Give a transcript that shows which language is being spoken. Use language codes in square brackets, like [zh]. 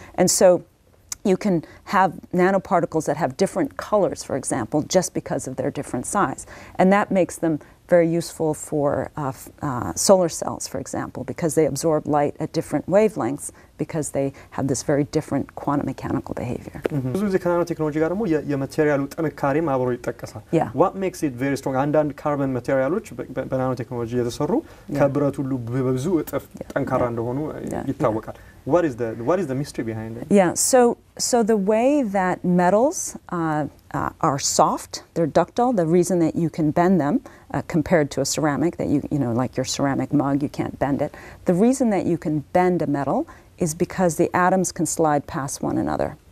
[en] And so you can have nanoparticles that have different colors, for example, just because of their different size. And that makes them very useful for solar cells, for example, because they absorb light at different wavelengths because they have this very different quantum mechanical behavior. [am] ብዙ ጊዜ ከናኖቴክኖሎጂ ጋር ደግሞ የማቴሪያሉ ጥንካሬም አብሮ ይጠቀሳል. [en] What makes it very strong? And carbon materials [am] በናኖቴክኖሎጂ የተሰሩ ከብረት ሁሉ በብዙ እጥፍ ጠንካራ እንደሆኑ ይታወቃል. [en] What is the mystery behind it? Yeah, so the way that metals are soft, they're ductile, the reason that you can bend them compared to a ceramic, that you know, like your ceramic mug, you can't bend it. The reason that you can bend a metal is because the atoms can slide past one another.